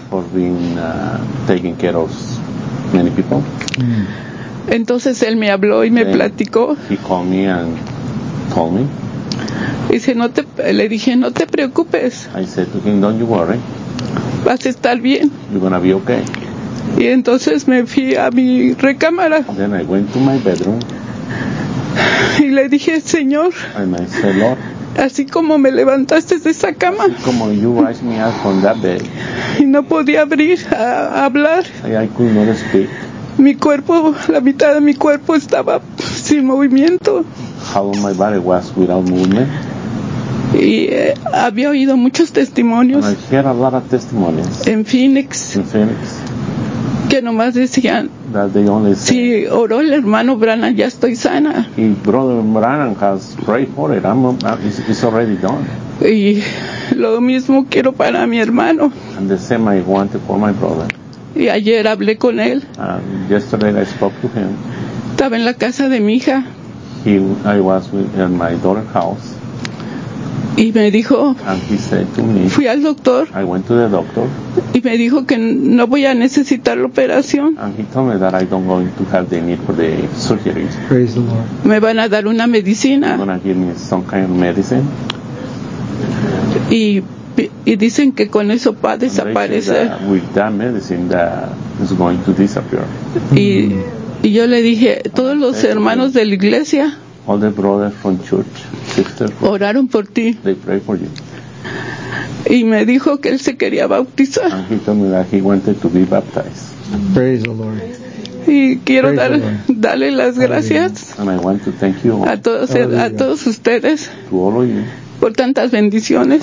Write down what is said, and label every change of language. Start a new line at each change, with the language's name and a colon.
English: For being taking care of many people.
Spanish: Entonces él me habló y me platicó.
English: He called me and told me.
Spanish: Dice, no te preocupes.
English: I said to him, don't you worry.
Spanish: Vas a estar bien.
English: You're gonna be okay.
Spanish: Y entonces me fui a mi recámara.
English: Then I went to my bedroom.
Spanish: Y le dije, Señor, así como me levantaste de esa cama,
English: como you raised me up from that bed,
Spanish: y no podía abrir a hablar,
English: I could not speak.
Spanish: Mi cuerpo, la mitad de mi cuerpo estaba sin movimiento.
English: How my body was without movement.
Spanish: Y había oído muchos testimonios.
English: And I heard a lot of testimonies.
Spanish: En Phoenix.
English: In Phoenix.
Spanish: Que nomás decían, si oró el hermano Branham, ya estoy sana.
English: Y brother Branham has prayed for it. It's already done.
Spanish: Y lo mismo quiero para mi hermano.
English: And the same I wanted for my brother.
Spanish: Y ayer hablé con él.
English: Yesterday I spoke to him.
Spanish: Estaba en la casa de mi hija.
English: I was in my daughter's house.
Spanish: Y me dijo, fui al doctor.
English: I went to the doctor.
Spanish: Y me dijo que no voy a necesitar la operación.
English: And he told me that I don't going to have the need for the surgery. Praise the Lord.
Spanish: Me van a dar una medicina.
English: They're gonna give me some kind of medicine.
Spanish: Y dicen que con eso va a desaparecer.
English: That with that medicine that is going to disappear.
Spanish: Y yo le dije, todos los hermanos de la iglesia.
English: All the brothers from church, sister,
Spanish: oraron por ti.
English: They pray for you.
Spanish: Y me dijo que él se quería bautizar.
English: And he told me that he wanted to be baptized. Praise the Lord.
Spanish: Y quiero darle las gracias a todos, a todos ustedes por tantas bendiciones.